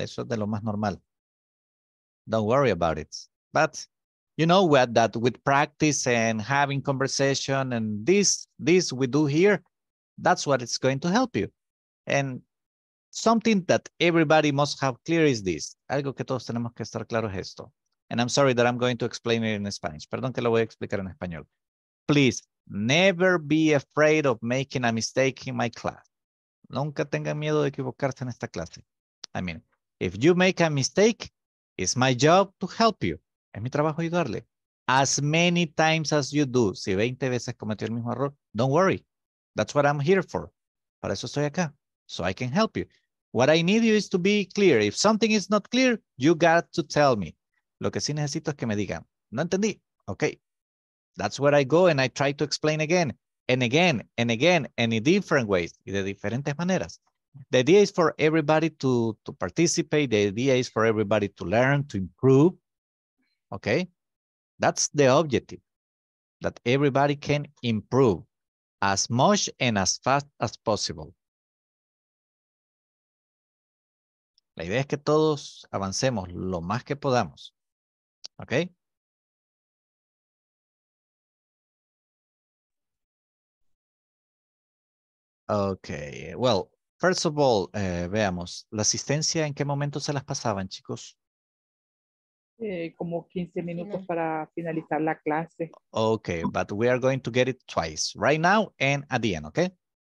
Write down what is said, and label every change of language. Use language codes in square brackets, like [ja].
[es] Eso de lo más normal. [en] Don't worry about it. But you know what, that with practice and having conversation and this we do here, that's what it's going to help you. And something that everybody must have clear is this. [es] Algo que todos tenemos que estar claro es esto. [en] And I'm sorry that I'm going to explain it in Spanish. [es] Perdón que lo voy a explicar en español. [en] Please, never be afraid of making a mistake in my class. [es] Nunca tengan miedo de equivocarse en esta clase. [en] I mean, if you make a mistake, it's my job to help you. [es] Es mi trabajo ayudarle. [en] As many times as you do. [es] Si 20 veces cometió el mismo error, [en] don't worry. That's what I'm here for. [es] Para eso estoy acá. [en] So I can help you. What I need you is to be clear. If something is not clear, you got to tell me. [es] Lo que sí necesito es que me digan. No entendí. Okay. [en] That's where I go and I try to explain again. And again, and again, and in different ways. [es] Y de diferentes maneras. [en] The idea is for everybody to participate. The idea is for everybody to learn, to improve. Okay? That's the objective. That everybody can improve as much and as fast as possible. [es] La idea es que todos avancemos lo más que podamos. Okay? [en] Okay, well, first of all, [es] veamos, ¿la asistencia en qué momento se las pasaban, chicos? Como 15 minutos para finalizar la clase. [en] Okay, but we are going to get it twice, right now and at the end, okay?